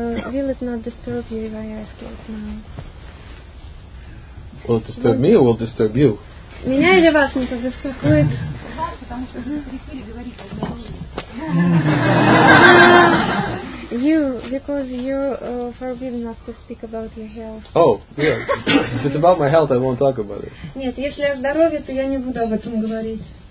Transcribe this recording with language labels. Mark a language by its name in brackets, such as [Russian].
[English] Will it not disturb you if I ask it now? Will it disturb me or will it disturb you? [Russian] Меня или вас не побеспокоит? [English] You, because you're forbidden us to speak about your health. Oh, yeah. If it's about my health, I won't talk about it. [Russian] Нет, если о здоровье, то я не буду об этом говорить.